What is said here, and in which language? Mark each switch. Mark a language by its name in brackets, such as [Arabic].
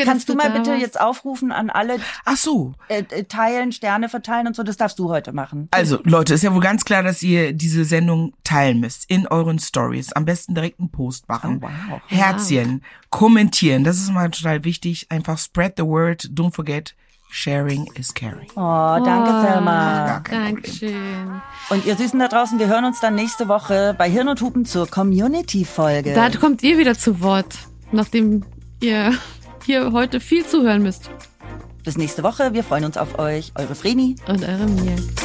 [German] Kannst du mal bitte jetzt aufrufen an alle, teilen, Sterne verteilen und so, das darfst du heute machen. Also Leute, ist ja wohl ganz klar, dass ihr diese Sendung teilen müsst in euren Stories. Am besten direkt einen Post machen. Oh, wow. Herzchen, kommentieren, das ist mal total wichtig. [English] Einfach spread the word, don't forget. Sharing is caring. [German] Oh, danke, Thelma. Dankeschön. Und ihr Süßen da draußen, wir hören uns dann nächste Woche bei Hirn und Hupen zur Community-Folge. Da kommt ihr wieder zu Wort, nachdem ihr hier heute viel zuhören müsst. Bis nächste Woche. Wir freuen uns auf euch. Eure Vreni. Und eure Mia.